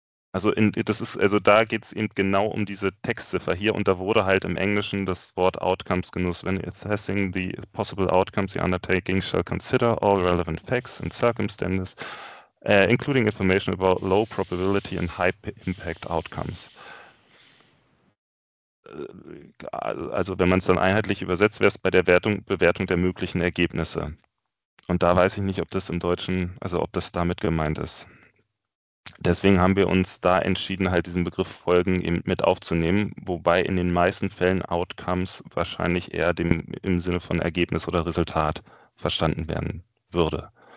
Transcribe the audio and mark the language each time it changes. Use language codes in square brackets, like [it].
[de] Also da geht es eben genau um diese Textziffer hier, und da wurde halt im Englischen das Wort Outcomes genutzt. [en] When assessing the possible outcomes, the undertaking shall consider all relevant facts and circumstances, including information about low probability and high impact outcomes. [de] Also wenn man es dann einheitlich übersetzt, wäre es bei der Bewertung der möglichen Ergebnisse. Und da weiß ich nicht, ob das im Deutschen, also ob das damit gemeint ist. Deswegen haben wir uns da entschieden, halt diesen Begriff Folgen eben mit aufzunehmen, wobei in den meisten Fällen Outcomes wahrscheinlich eher im Sinne von Ergebnis oder Resultat verstanden werden würde.